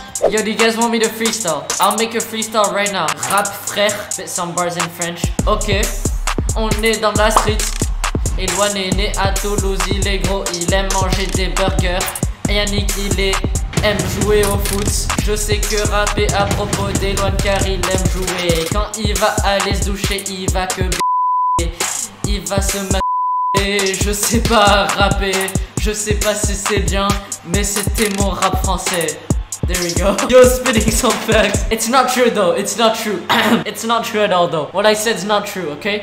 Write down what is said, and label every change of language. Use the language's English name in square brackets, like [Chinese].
[English] Yo, do you guys want me to freestyle? I'll make a freestyle right now. [French] Rap frère, fait [English] some bars in French. [French] Ok, on est dans la street. Éloigné est né à Toulouse, il est gros, il aime manger des burgers. Yannick, il est aime jouer au foot. Je sais que rapper à propos d'Éloigné car il aime jouer. Quand il va aller se doucher, il va que b**er. Il va se masturber. Je sais pas rapper. Je sais pas si c'est bien, mais c'était mon rap français. [English] There we go. Yo, spitting some facts. It's not true though, it's not true. It's not true at all though. What I said is not true, okay?